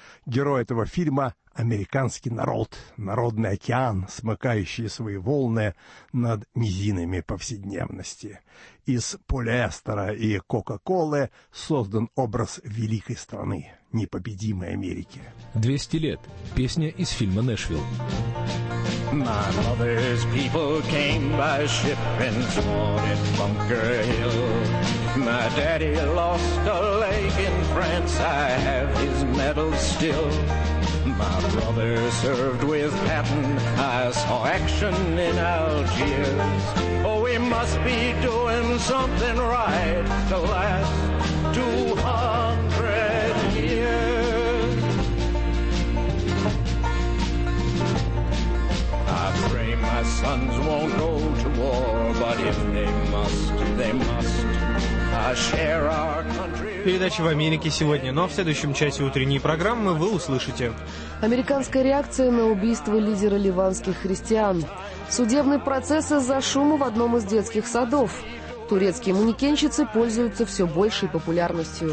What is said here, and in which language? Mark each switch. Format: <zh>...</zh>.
<ru>Герой этого фильма – американский народ, народный океан, смыкающий свои волны над низинами повседневности. Из полиэстера и кока-колы создан образ великой страны, непобедимой Америки. 200 лет. Песня из фильма «Нэшвилл».</ru> <en>My mother's people came by ship and sworn at Bunker Hill. My daddy lost a leg in France, I have his medal still. My brother served with Patton, I saw action in Algiers. Oh, we must be doing something right the last 200 years. I pray my sons won't go to war, but if they must, they must.</en> <ru>Передача в Америке сегодня, но в следующем часе утренней программы вы услышите. Американская реакция на убийство лидера ливанских христиан. Судебный процесс из-за шума в одном из детских садов. Турецкие манекенщицы пользуются все большей популярностью.</ru>